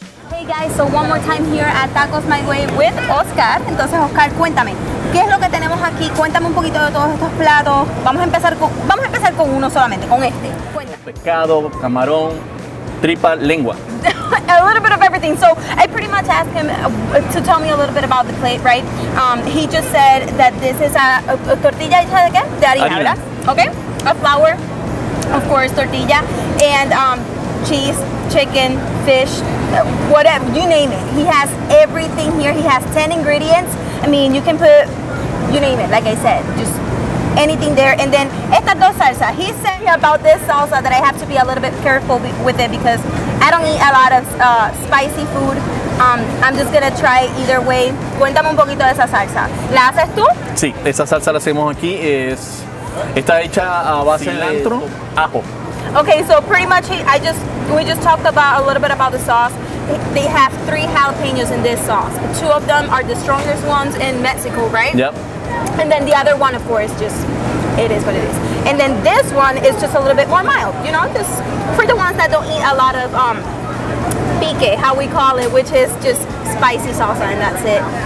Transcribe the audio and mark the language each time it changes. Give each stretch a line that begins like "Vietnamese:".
English: Hey guys, so one more time here at Tacos My Way with Oscar.
Spanish: Entonces Oscar, cuéntame, ¿qué es lo que tenemos aquí? Cuéntame un poquito de todos estos platos. Vamos a empezar con uno solamente, con este. Cuéntame. Pescado, camarón, tripa, lengua.
English: A little bit of everything. So I pretty much asked him to tell me a little bit about the plate, right? He just said that this is a tortilla
Spanish: hecha de qué? De harina, ¿verdad?
English: Okay. A flour, of course, tortilla, and cheese, chicken, fish, whatever, you name it. He has everything here. He has 10 ingredients. I mean, you can put, you name it, like I said, just anything there. And then,
Spanish: estas dos salsas.
English: He said about this salsa that I have to be a little bit careful with it because I don't eat a lot of spicy food. I'm just gonna try either way.
Spanish: Cuéntame un poquito de esa salsa. ¿La haces tú? Sí, esa salsa la hacemos aquí. Está hecha a base de cilantro, ajo.
English: Okay, so pretty much we just talked about a little bit about the sauce. They have 3 jalapenos in this sauce. 2 of them are the strongest ones in Mexico, right? Yep. And then the other one, of course, it is what it is. And then this one is just a little bit more mild, you know, just for the ones that don't eat a lot of pique, how we call it, which is just spicy salsa, and that's it.